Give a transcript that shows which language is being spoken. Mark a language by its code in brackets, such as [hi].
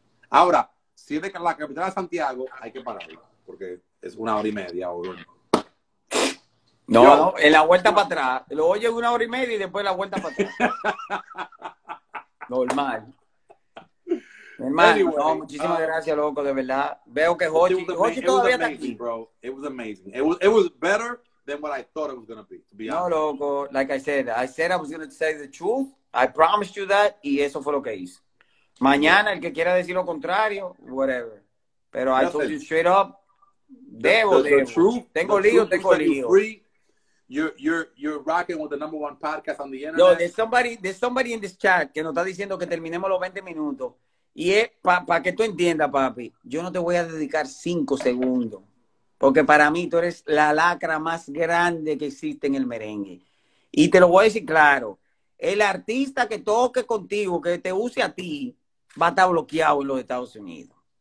[es] Ahora, si es de la capital a Santiago, hay que parar, porque es 1 hora y media. O no, en la vuelta para atrás. Lo oyes 1 hora y media y después la vuelta para atrás. Normal. Hermano, anyway, no, muchísimas gracias, loco, de verdad. Veo que Jochi todavía está aquí. [en] Bro. It was amazing. It was better than what I thought it was going to be honest. No, loco, like I said I was going to say the truth. I promised you that, [es] y eso fue lo que hice. Mañana, el que quiera decir lo contrario, whatever. [en] Pero I told you straight up, [es] tengo lío. [en] You're rocking with the number one podcast on the internet. No, there's somebody in this chat [es] que nos está diciendo que terminemos los 20 minutos. Y es para que tú entiendas, papi, yo no te voy a dedicar 5 segundos, porque para mí tú eres la lacra más grande que existe en el merengue. Y te lo voy a decir claro, el artista que toque contigo, que te use a ti, va a estar bloqueado en los Estados Unidos.